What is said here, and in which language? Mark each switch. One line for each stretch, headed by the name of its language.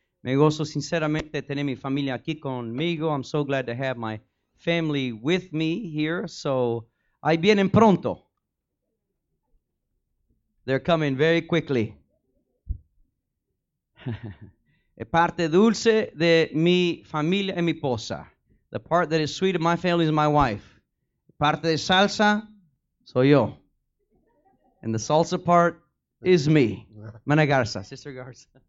Spanish: Me gozo sinceramente tener mi familia aquí conmigo.
English: I'm so glad to have my family with me here.
Spanish: So, ahí vienen pronto.
English: They're coming very quickly.
Spanish: Es parte dulce de mi familia y mi esposa.
English: The part that is sweet of my family is my wife.
Spanish: Parte de salsa, soy yo.
English: And the salsa part is me. Mana Garza, Sister Garza.